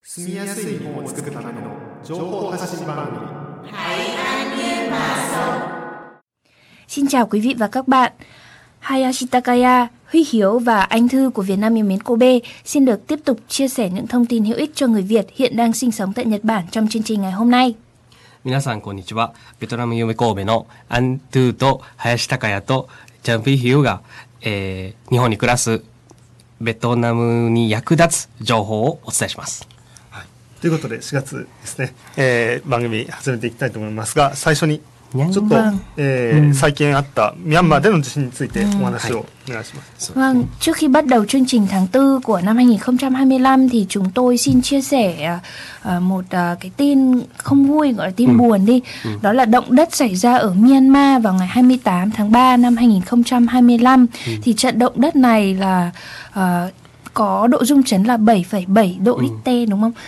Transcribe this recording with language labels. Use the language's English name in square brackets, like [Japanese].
[Japanese] 住みやすい日本を作るための情報発信番組台湾ニュースマーソン。 [Vietnamese] Xin chào quý vị và các bạn. Hayashitakaya, Huy Hiếu và Anh Thư của Việt Nam Yêu Mến Kobe xin được tiếp tục chia sẻ những thông tin hữu ích cho người Việt hiện đang sinh sống tại Nhật Bản trong chương trình ngày hôm nay. [Japanese] 皆さんこんにちは。ベトナム夢神戸のアンドゥと林高也とジャンピーヒューが、日本に暮らすベトナムに役立つ情報をお伝えします。はい、ということで4月ですね、番組始めていきたいと思いますが、最初にちょっと、最近あったミャンマーでの地震についてお話を、はい、お願いします。 [Vietnamese] まあ、trước khi bắt đầu chương trình tháng 4 của năm 2025 thì chúng tôi xin chia sẻ một cái tin không vui, gọi là tin buồn đi. Đó là động đất xảy ra ở Myanmar vào ngày 28 tháng 3 năm 2025. Thì trận động đất này là có độ rung chấn là 7,7 độ Richter, đúng không?